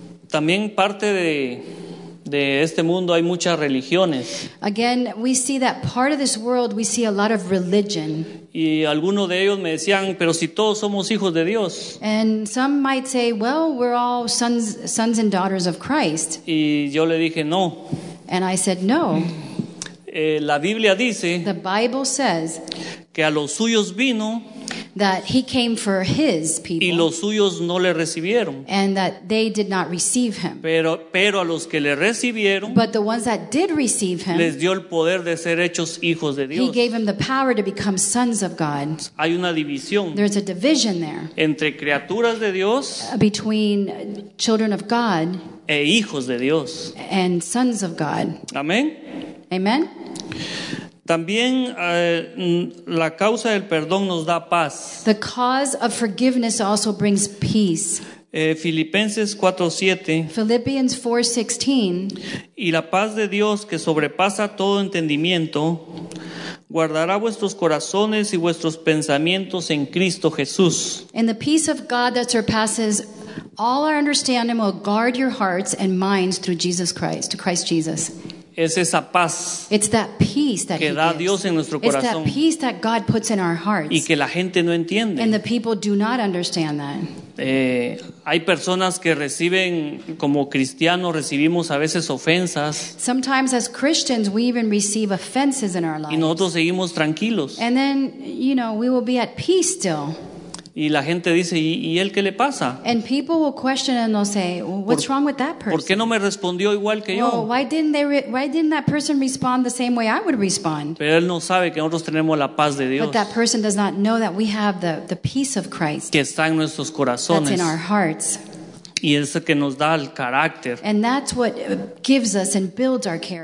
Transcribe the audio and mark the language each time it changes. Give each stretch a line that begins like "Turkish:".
Spanish: También parte de este mundo hay muchas religiones.
English: Again, we see that part of this world we see a lot of religion.
Spanish: Y algunos de ellos me decían, pero si todos somos hijos de Dios.
English: And some might say, well, we're all sons and daughters of Christ.
Spanish: Y yo le dije, no.
English: And I said, no.
Spanish: La Biblia dice,
English: the Bible says,
Spanish: que a los suyos vino,
English: that he came for his people,
Spanish: y los suyos no le recibieron,
English: and that they did not receive him.
Spanish: Pero a los que le recibieron,
English: but the ones that did receive him,
Spanish: les dio el poder de ser hechos hijos de Dios.
English: He gave him the power to become sons of God.
Spanish: Hay una división,
English: there's a division there,
Spanish: entre criaturas de Dios,
English: between children of God,
Spanish: e hijos de Dios,
English: and sons of God.
Spanish: Amén.
English: Amen.
Spanish: También la causa del perdón nos da paz.
English: The cause of forgiveness also brings peace.
Spanish: Filipenses 4:7.
English: Philippians 4:16.
Spanish: Y la paz de Dios que sobrepasa todo entendimiento guardará vuestros corazones y vuestros pensamientos en Cristo Jesús.
English: And the peace of God that surpasses all our understanding will guard your hearts and minds through Jesus Christ, to Christ Jesus.
Spanish: Es esa paz,
English: it's that peace that
Spanish: que
English: he
Spanish: da
English: gives.
Spanish: Dios en nuestro corazón.
English: It's that peace that God puts in our hearts.
Spanish: Y que la gente no entiende.
English: And the people do not understand that.
Spanish: Hay personas que reciben, como cristianos, recibimos a veces ofensas.
English: Sometimes as Christians, we even receive offenses in our lives.
Spanish: Y nosotros seguimos tranquilos.
English: And then, you know, we will be at peace still.
Spanish: Y la gente dice, ¿y él qué le pasa?
English: And people will question and they'll say, well, what's wrong with that person?
Spanish: ¿Por qué no me respondió igual que yo?
English: Well, why didn't that person respond the same way I would respond?
Spanish: Pero él no sabe que nosotros tenemos la paz de Dios.
English: But that person does not know that we have the peace of Christ.
Spanish: Que está en nuestros corazones.
English: That's in our hearts.
Spanish: Y es el que nos da el carácter.
English: And that's what gives us and builds our character.